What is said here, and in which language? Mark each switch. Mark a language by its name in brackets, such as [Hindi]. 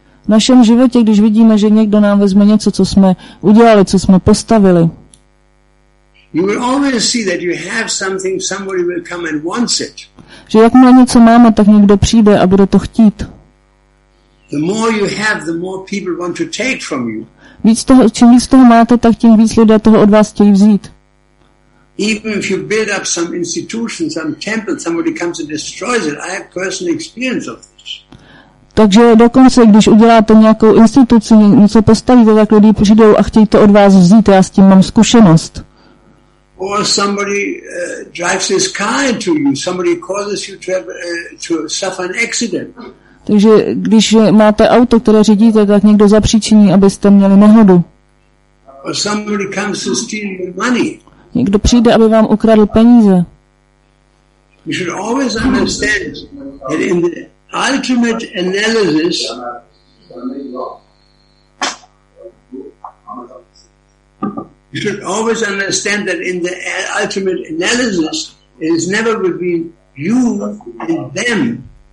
[Czech] V našem životě, když vidíme, že někdo nám vezme něco, co jsme udělali, co jsme postavili. [English] You will always see that you have something, somebody will come and wants it. [Czech] Že jakmile něco máme, tak někdo přijde a bude to chtít. [English] The more you have, the more people want to take from you. [Czech] Víc toho, čím víc toho máte, tak tím víc lidé toho od vás chtějí vzít. [English] Even if you build up some institution, some temple, somebody comes and destroys it. I have personal experience of this. [Czech] Takže dokonce, když uděláte nějakou instituci, něco postavíte, tak lidi přijdou a chtějí to od vás vzít. Já s tím mám zkušenost. [English] Or somebody drives his car into you. Somebody causes you to suffer an accident. [Czech] Takže když máte auto, které řídíte, tak někdo zapříčiní, abyste měli nehodu. [English] Or somebody comes to steal your money. [Czech] Někdo přijde, aby vám ukradl peníze. [English] You should always understand that in the ultimate analysis, you should always understand that in the ultimate analysis, it is never between you and them.